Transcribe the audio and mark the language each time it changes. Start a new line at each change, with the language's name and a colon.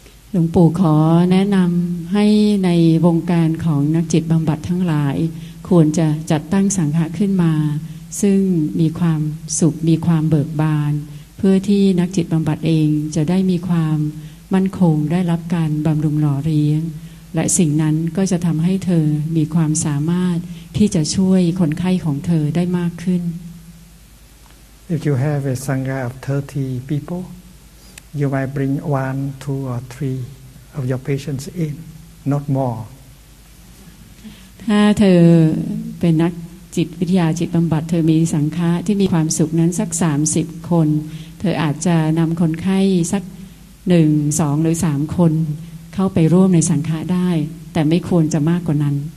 Thai: หลวงปู่ขอแนะนำให้ในวงการของนักจิตบำบัดทั้งหลายควรจะจัดตั้งสังฆะขึ้นมาซึ่งมีความสุขมีความเบิกบานเพื่อที่นักจิตบำบัดเองจะได้มีความมั่นคงได้รับการบำรุงหล่อเลี้ยงและสิ่งนั้นก็จะทำให้เธอมีความสามารถที่จะช่วยคนไข้ของเธอได้มากขึ้น
English: If you have a sangha of 30 people you might bring 1 2 or 3 of your patients in not more
Thai: ถ้าเธอเป็นนักจิตวิทยาจิตบำบัดเธอมีสังฆะที่มีความสุขนั้นสัก30คนเธออาจจะนำคนไข้สัก1 2หรือ3คนเข้าไปร่วมในสังฆะได้แต่ไม่ควรจะมากกว่านั้น